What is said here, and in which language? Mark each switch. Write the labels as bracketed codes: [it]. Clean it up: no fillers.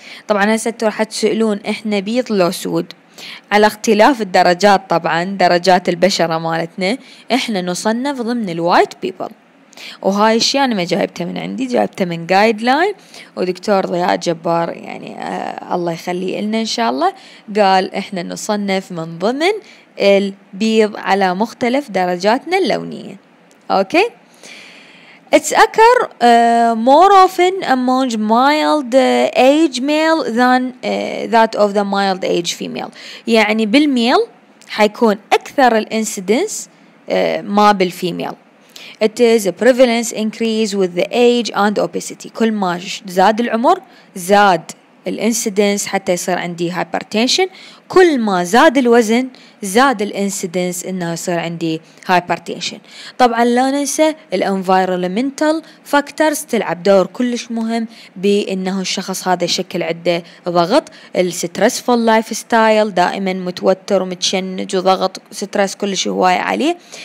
[ar] طبعا هسه انتوا راح تسألون إحنا بيض لو سود؟ على اختلاف الدرجات، طبعا درجات البشرة مالتنا إحنا نصنف ضمن الوايت بيبل، وهاي الشيء أنا ما جايبته من عندي، جايبته من جايدلاين، ودكتور ضياء جبار يعني الله يخليه لنا إن شاء الله قال إحنا نصنف من ضمن البيض على مختلف درجاتنا اللونية. أوكي. [en] It's occur more often among mild age male than that of the mild age female. [ar] يعني بالميل حيكون أكثر الانسيدنس ما بالفيميل. [en] It is a prevalence increase with the age and obesity. [ar] كل ما زاد العمر زاد الانسيدنس حتى يصير عندي هايبرتينشن، كل ما زاد الوزن زاد الانسيدنس انه يصير عندي هايبرتينشن. طبعا لا ننسى الانفايرمنتال فاكتورز تلعب دور كلش مهم بانه الشخص هذا يشكل عنده ضغط، الستريسفول لايف ستايل دائما متوتر ومتشنج وضغط ستريس كلش هواي عليه،